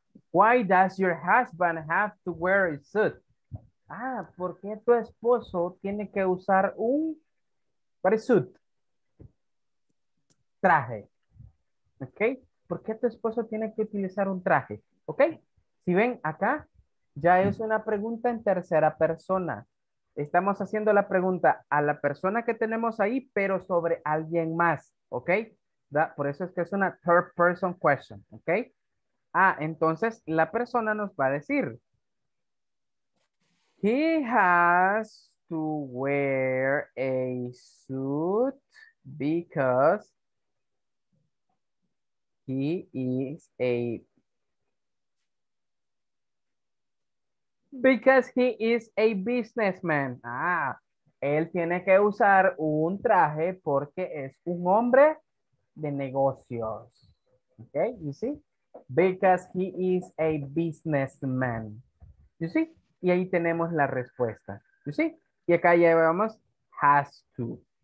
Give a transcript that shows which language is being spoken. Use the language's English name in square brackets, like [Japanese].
[English] Why does your husband have to wear a suit? [Spanish] Ah, ¿por qué tu esposo tiene que usar un suit? Traje. ¿Ok? ¿Por qué tu esposo tiene que utilizar un traje? ¿Ok? Si ven acá, ya es una pregunta en tercera persona. Estamos haciendo la pregunta a la persona que tenemos ahí, pero sobre alguien más, ¿ok? Por eso es que es una third person question, ¿ok? Ah, entonces la persona nos va a decir. [English] He has to wear a suit because he is a businessman. [Spanish] Ah, él tiene que usar un traje porque es un hombre de negocios. [English] Okay, you see? Because he is a businessman. You see? [Spanish] Y ahí tenemos la respuesta. You see? Y acá llevamos has to.